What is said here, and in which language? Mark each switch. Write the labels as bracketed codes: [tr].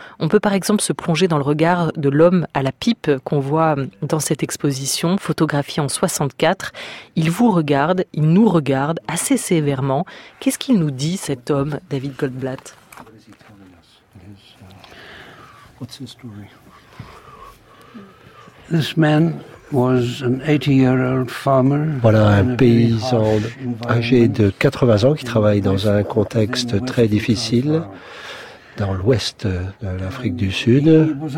[fr] On peut par exemple se plonger dans le regard de l'homme à la pipe qu'on voit dans cette exposition, photographié en 64. Il vous regarde, il nous regarde assez sévèrement. Qu'est-ce qu'il nous dit cet homme, David Goldblatt ? [en] This man was an 80-year-old farmer. [fr] Voilà un paysan âgé de 80 ans qui travaille dans un contexte très difficile dans l'ouest de l'Afrique du Sud.